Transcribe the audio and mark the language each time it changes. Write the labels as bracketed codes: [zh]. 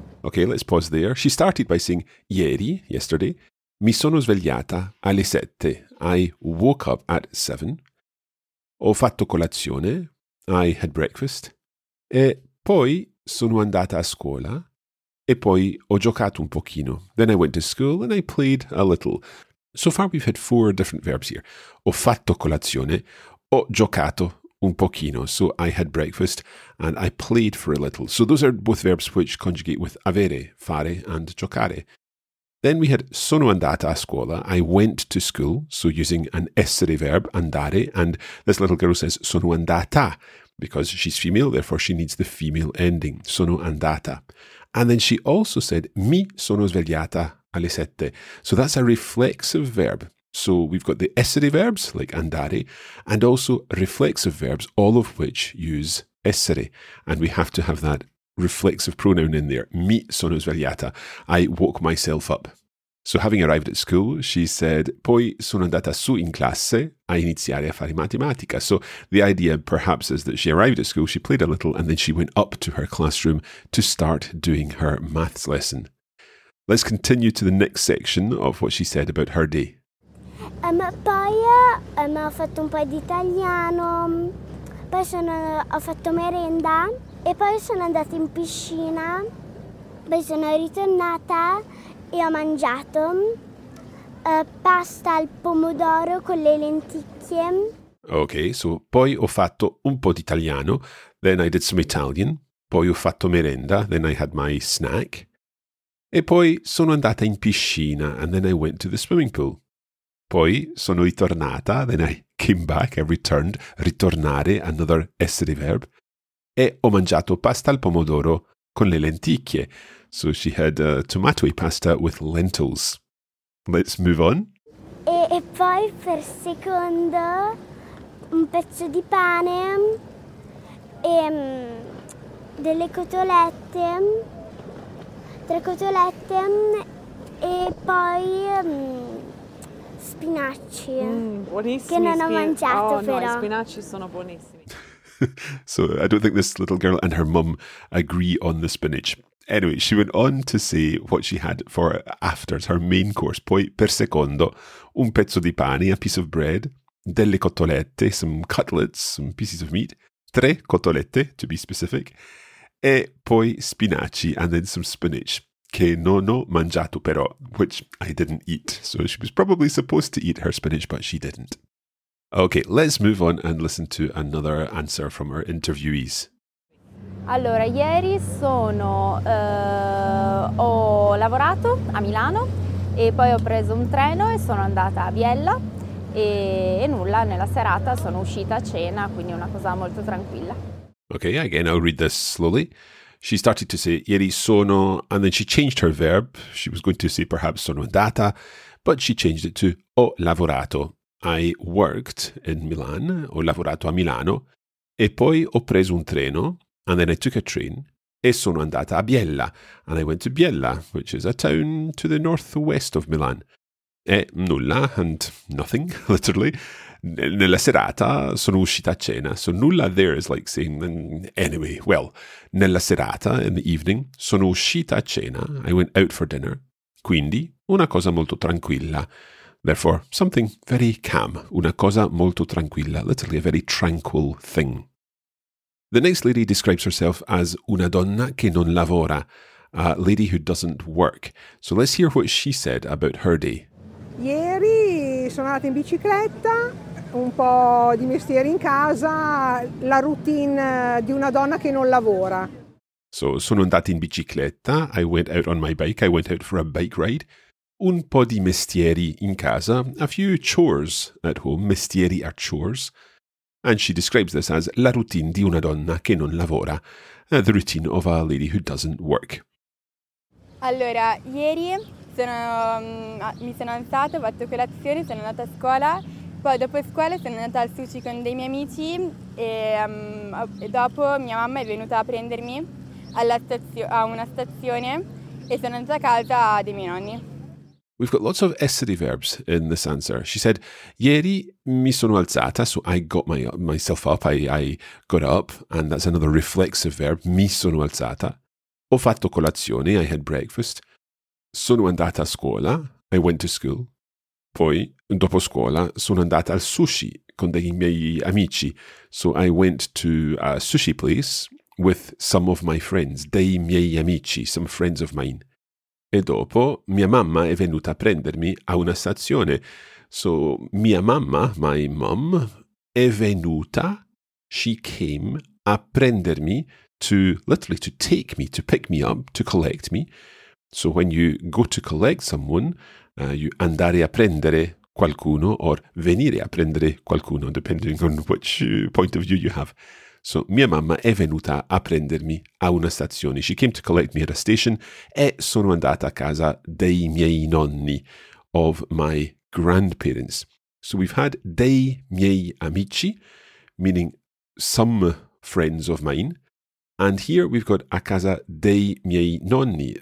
[en] Okay, let's pause there. She started by saying yesterday, [it] mi sono svegliata alle 7. [en] I woke up at 7. [it] Ho fatto colazione. [en] I had breakfast. [it] E poi sono andata a scuola e poi ho giocato un pochino. [en] Then I went to school and I played a little. So far we've had 4 different verbs here. [it] Ho fatto colazione, ho giocato un pochino. [en] So I had breakfast and I played for a little. So those are both verbs which conjugate with avere, fare, and giocare. Then we had [it] sono andata a scuola. [en] I went to school. So using an essere verb, andare, and this little girl says sono andata. Because she's female, therefore she needs the female ending, sono andata. And then she also said, [it] mi sono svegliata alle 7. [en] So that's a reflexive verb. So we've got the essere verbs, like andare, and also reflexive verbs, all of which use essere. And we have to have that reflexive pronoun in there, [it] mi sono svegliata, [en] I woke myself up. So having arrived at school, she said, [it] poi sono andata su in classe a iniziare a fare matematica. [en] So the idea perhaps is that she arrived at school, she played a little, and then she went up to her classroom to start doing her maths lesson. Let's continue to the next section of what she said about her day. [it] Poi ho fatto un po' di italiano, poi ho fatto merenda, E poi sono andata in piscina, poi sono ritornata e ho mangiato pasta al pomodoro con le lenticchie. [en] Ok, so [it] poi ho fatto un po' di italiano, [en] then I did some Italian, [it] poi ho fatto merenda, [en] then I had my snack, [it] e poi sono andata in piscina, [en] and then I went to the swimming pool. [it] Poi sono ritornata, [en] then I came back, I returned, [it] ritornare, [en] another essere verb, [it] e ho mangiato pasta al pomodoro con le lenticchie. [en] So she had tomato pasta with lentils. Let's move on. [it] E poi per secondo un pezzo di pane e delle cotolette, tre cotolette e poi spinaci, che non ho mangiato però. No, spinaci sono buonissimi. [en] So I don't think this little girl and her mum agree on the spinach. Anyway, she went on to say what she had for after, her main course. [it] Poi, per secondo, un pezzo di pane, [en] a piece of bread, [it] delle cotolette, [en] some cutlets, some pieces of meat, [it] tre cotolette, [en] to be specific, [it] e poi spinaci, [en] and then some spinach, [it] che non ho mangiato però, [en] which I didn't eat. So she was probably supposed to eat her spinach, but she didn't. Okay, let's move on and listen to another answer from our interviewees. [it] Allora, ieri sono ho lavorato a Milano e poi ho preso un treno e sono andata a Biella e nulla, nella serata sono uscita a cena, quindi una cosa molto tranquilla. [en] Okay, again I'll read this slowly. She started to say [it] ieri sono [en] and then she changed her verb. She was going to say perhaps [it] sono andata, [en] but she changed it to [it] ho lavorato. [en] I worked in Milan, [it] ho lavorato a Milano e poi ho preso un treno. [en] And then I took a train [it] e sono andata a Biella. [en] And I went to Biella, which is a town to the northwest of Milan. [it] E nulla, [en] and nothing, literally. [it] Nella serata sono uscita a cena. [en] So nulla there is like saying, anyway, well, [it] nella serata, [en] in the evening, [it] sono uscita a cena. [en] I went out for dinner. [it] Quindi, una cosa molto tranquilla. [en] Therefore, something very calm. [it] Una cosa molto tranquilla. [en] Literally, a very tranquil thing. The next lady describes herself as [it] una donna che non lavora, [en] a lady who doesn't work. So let's hear what she said about her day. [it] Ieri sono andata in bicicletta, un po' di mestieri in casa, la routine di una donna che non lavora. So sono andata in bicicletta, [en] I went out on my bike, I went out for a bike ride. [it] Un po' di mestieri in casa, [en] a few chores at home, mestieri are chores. And she describes this as [it] la routine di una donna che non lavora, [en] the routine of a lady who doesn't work. [it] Allora, ieri mi sono alzata, ho fatto colazione, sono andata a scuola, poi dopo scuola sono andata al sushi con dei miei amici e dopo mia mamma è venuta a prendermi a una stazione e sono andata a casa dei miei nonni. [en] We've got lots of essere verbs in this answer. She said, [it] ieri mi sono alzata, [en] so I got myself up, I got up, and that's another reflexive verb, [it] mi sono alzata. Ho fatto colazione, [en] I had breakfast. [it] Sono andata a scuola, [en] I went to school. [it] Poi, dopo scuola, sono andata al sushi con dei miei amici. [en] So I went to a sushi place with some of my friends, [it] dei miei amici, [en] some friends of mine. [it] E dopo, mia mamma è venuta a prendermi a una stazione. [en] So, [it] mia mamma, [en] my mom, [it] è venuta, [en] she came, [it] a prendermi [en] to, literally, to take me, to pick me up, to collect me. So, when you go to collect someone, you [it] andare a prendere qualcuno, [en] or [it] venire a prendere qualcuno, [en] depending on which point of view you have. [it] So, mia mamma è venuta a prendermi a una stazione. [en] She came to collect me at a station [it] e sono andata a casa dei miei nonni, [en] of my grandparents. So, we've had [it] dei miei amici, [en] meaning some friends of mine. And here we've got [it] a casa dei miei nonni.